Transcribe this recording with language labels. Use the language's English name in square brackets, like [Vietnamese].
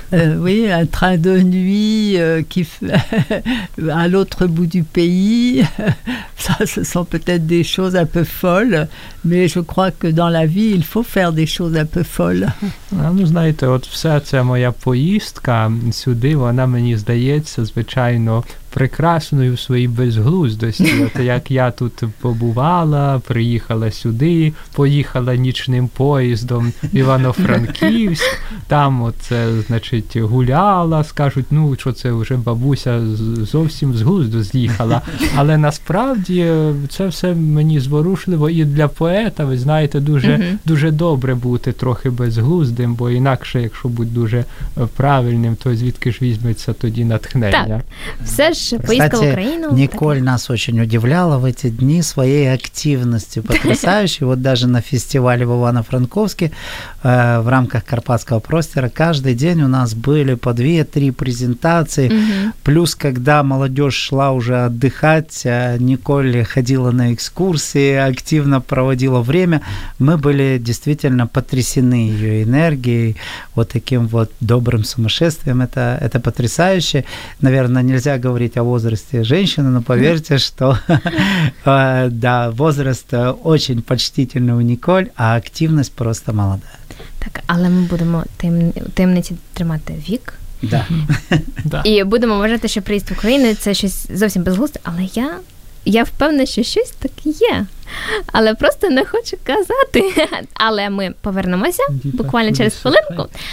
[French] Oui, un train de nuit qui à l'autre bout du pays. Ça, ce sont peut-être des choses un peu folles, mais je crois que dans la vie, il faut faire des choses un peu folles. [Ukrainian] Ну, знаєте, от вся ця моя поїздка сюди, вона мені здається, звичайно, прекрасною в своїй безглуздості. От як я тут побувала, приїхала сюди, поїхала нічним поїздом в Івано-Франківськ, там от, значить, гуляла, скажуть, ну, що це вже бабуся зовсім з глузду з'їхала. Але насправді це все мені зворушливо і для поета, ви знаєте, дуже, дуже добре бути трохи безглуздим, бо інакше, якщо будь дуже правильним, то звідки ж візьметься тоді натхнення? Так, все ж, поїздка в Україну. [Russian] Кстати, Ніколь нас очень удивляла в эти дни своей активности потрясающей. Вот даже на фестивале в Івано-Франковске в рамках Карпатского простера каждый день у нас были по 2-3 презентации. Плюс, когда молодежь шла уже отдыхать, Ніколь ходила на экскурсии, активно проводила время. Мы были действительно потрясены ее энергией, вот таким вот добрым сумасшествием. Это потрясающе. Наверное, нельзя говорить о возрасте женщины, но поверьте, что да, возраст очень почтительный у Ніколь, а активность просто молодая. [Ukrainian] Так, але ми будемо темниці тримати вік. [Russian] Да. [Ukrainian] І будемо вважати, що приїзд в Україну – це щось зовсім безглузде, але я впевнена, що щось так є. Але просто не хочу казати. Але ми повернемося буквально через хвилинку.